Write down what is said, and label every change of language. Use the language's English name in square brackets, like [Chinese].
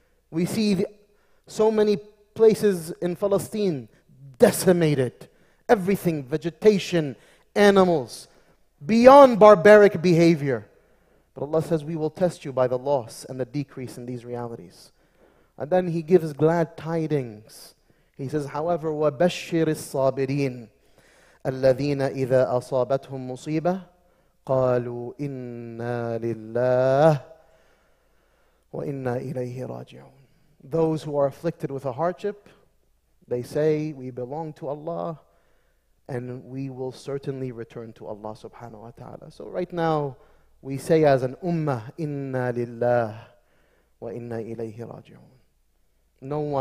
[English] We see so many places in Palestine decimated. Everything, vegetation, animals, beyond barbaric behavior. But Allah says, we will test you by the loss and the decrease in these realities. And then He gives glad tidings. He says, however, [Arabic] وَبَشِّرِ الصَّابِرِينَ الَّذِينَ إِذَا أَصَابَتْهُمْ مُصِيبَةً قَالُوا إِنَّا لِلَّهِ وَإِنَّا إِلَيْهِ رَاجِعُونَ. [English] Those who are afflicted with a hardship, they say, we belong to Allah, and we will certainly return to Allah subhanahu wa ta'ala. So right now, we say as an ummah, [Arabic] إِنَّا لِلَّهِ وَإِنَّا إِلَيْهِ رَاجِعُونَ.